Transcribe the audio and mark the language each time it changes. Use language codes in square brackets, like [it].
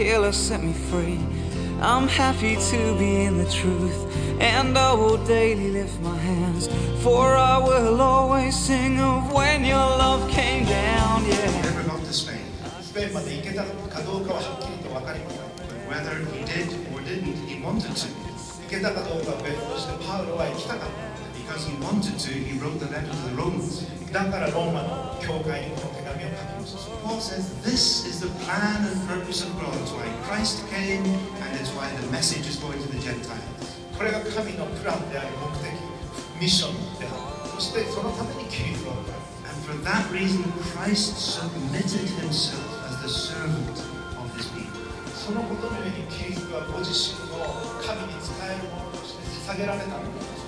[en] set me free. I'm happy to be in the truth, and I will daily lift my hands, for I will always sing of when your love came down. Yeah. Never loved this man. [ja] Spain まで行けたかどうかははっきりと分かりません。 [en] But whether he did or didn't, he wanted to. [ja] 行けたかどうかは別としてパウロは行きたかった。 [en] Because he wanted to, he wrote the letter to the Romans. [ja] だからローマの教会に手紙を書きました。 [en] Paul says, this is the plan and purpose of God. It's why Christ came, and it's why the message is going to the Gentiles. [ja] これが神のプランである目的、ミッションである。そしてそのためにキリストが。 [en] And for that reason, Christ submitted himself as the servant of his people. [ja] そのことによりキリストはご自身を神に仕えるものとして捧げられたのです。